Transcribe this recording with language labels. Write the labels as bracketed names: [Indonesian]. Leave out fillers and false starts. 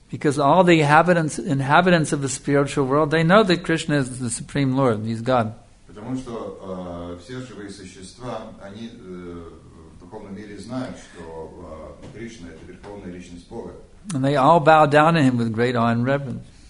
[English] Because all the inhabitants of the spiritual world, they know that Krishna is the Supreme Lord, He's God. [Russian] Потому что все живые существа, они в духовном мире знают, что Кришна это верховная личность Бога. [English] And they all bow down to him with great awe and reverence.